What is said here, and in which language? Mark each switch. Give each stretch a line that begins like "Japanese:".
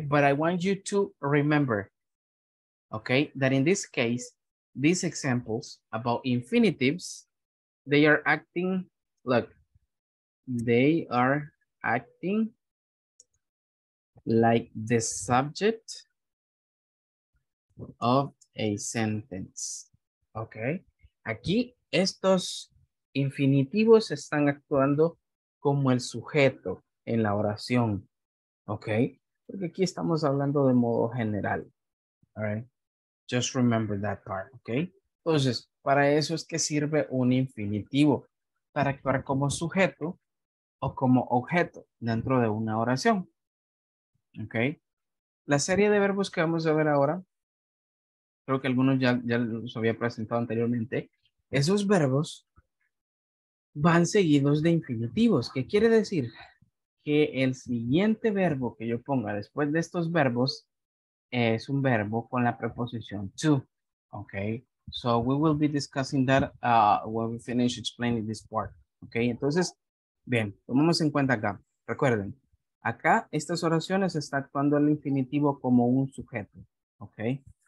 English: But I want you to remember, okay, that in this case, these examples about infinitives, they are acting, look, they are acting like the subject of a sentence, okay?
Spanish: Aquí, estos infinitivos están actuando como el sujeto en la oración, okay? Porque aquí estamos hablando de modo general, all right?
English: Just remember that part,
Spanish: okay? Entonces, para eso es que sirve un infinitivo, para actuar como sujeto o como objeto dentro de una oración, okay? La serie de verbos que vamos a ver ahora, creo que algunos ya los había presentado anteriormente, esos verbos van seguidos de infinitivos. ¿Qué quiere decir? Que el siguiente verbo que yo ponga después de estos verbos es un verbo con la preposición to, okay?
English: So we will be discussing that when we finish explaining this part, okay?
Spanish: Entonces, bien, tomamos en cuenta acá. Recuerden, acá estas oraciones están actuando el infinitivo como un sujeto, okay?